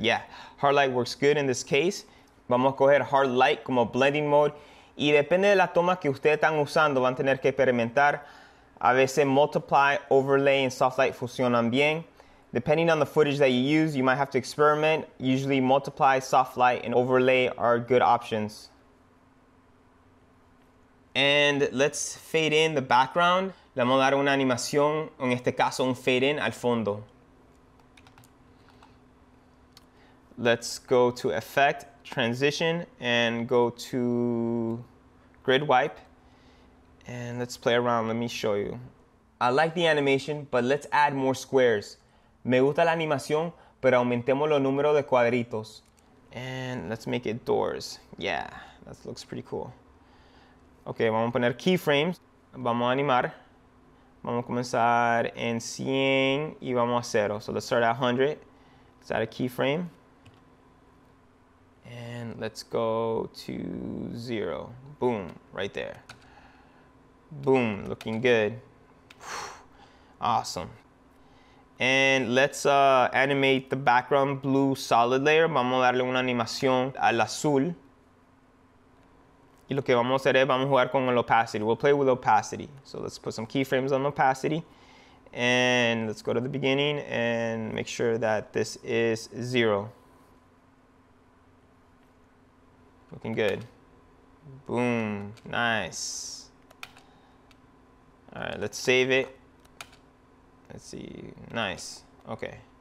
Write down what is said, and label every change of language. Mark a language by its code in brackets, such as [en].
[en] Yeah, hard light works good in this case. [es] Vamos a coger hard light como blending mode. Y depende de la toma que ustedes están usando, van a tener que experimentar. A veces multiply, overlay, and soft light funcionan bien. [en] Depending on the footage that you use, you might have to experiment. Usually multiply, soft light, and overlay are good options. And let's fade in the background. [es] Le vamos a dar una animación, en este caso un fade in al fondo. [en] Let's go to effect, transition, and go to grid wipe. And let's play around, let me show you. I like the animation, but let's add more squares. [es] Me gusta la animación, pero aumentemos los números de cuadritos. [en] And let's make it doors. Yeah, that looks pretty cool. [es] Okay, vamos a poner keyframes. Vamos a animar. Vamos a comenzar en 100 y vamos a 0. [en] So let's start at 100. Let's add a keyframe. And let's go to 0. Boom, right there. Boom, looking good. Awesome. And let's animate the background blue solid layer. [es] Vamos a darle una animación al azul. Y lo que vamos a hacer es, vamos a jugar con el opacity. [en] We'll play with opacity. So let's put some keyframes on opacity. And let's go to the beginning and make sure that this is 0. Looking good. Boom, nice. All right, let's save it. Let's see, nice, okay.